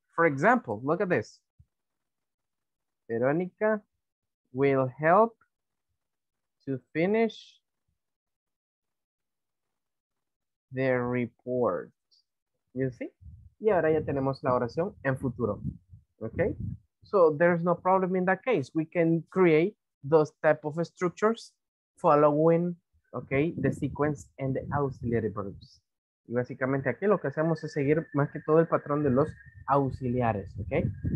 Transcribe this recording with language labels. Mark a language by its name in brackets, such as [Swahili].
[English] For example, look at this. Verónica will help to finish the report. You see? [Spanish] Y ahora ya tenemos la oración en futuro. [English] ¿Ok? So there's no problem in that case. We can create those type of structures following, okay, the sequence and the auxiliary verbs. [Spanish] Y básicamente aquí lo que hacemos es seguir más que todo el patrón de los auxiliares, ¿ok?